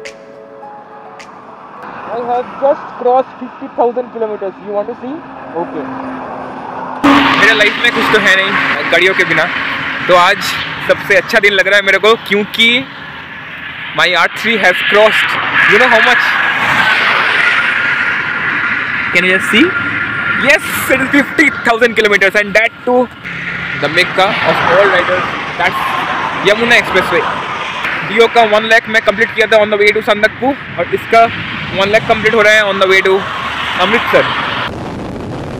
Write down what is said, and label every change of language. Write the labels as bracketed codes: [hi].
[en] have just crossed 50,000 kilometers. You want to see? Okay. [hi] मेरे life में कुछ तो है नहीं गाड़ियों के बिना, तो आज सबसे अच्छा दिन लग रहा है मेरे को, क्योंकि [en] My R3 has crossed. You know how much? Can you just see? Yes, it is 50,000 kilometers and that too the Mecca of all riders. That's Yamuna Expressway. [hi] Dio का 1 lakh मैं complete किया था [en] on the way to Sandakpu [hi] और इसका 1 lakh complete हो रहा है [en] on the way to Amritsar.